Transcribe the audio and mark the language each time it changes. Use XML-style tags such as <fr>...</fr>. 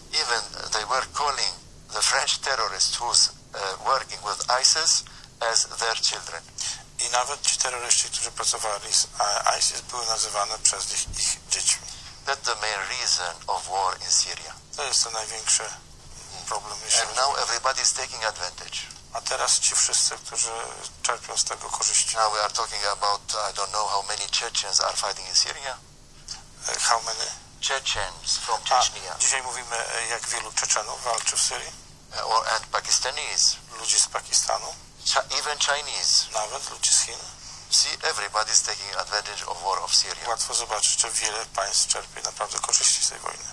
<en>Even they were calling the French terrorists who's working with ISIS as their children.</en> <pl>I nawet ci terroryści, którzy pracowali z ISIS, były nazywane przez nich ich dziećmi.</pl> <en>That's the main reason of war in Syria.</en> <pl>To jest to największy problem.</pl> <en>And now everybody is taking advantage.</en> <pl>A teraz ci wszyscy, którzy czerpią z tego korzyści.</pl> <en>Now we are talking about, I don't know how many Chechens are fighting in Syria. How many? Chechens from Chechnya.</en> <pl>A dzisiaj mówimy, jak wielu Czeczenów walczy w Syrii.</pl> <en>And Pakistanis.</en> <pl>Ludzi z Pakistanu.</pl> <en>Even Chinese.</en> <pl>Nawet ludzi z Chin.</pl> <en>See, everybody is taking advantage of war of Syria.</en> <pl>Łatwo zobaczyć, że wiele państw czerpie naprawdę korzyści z tej wojny.</pl>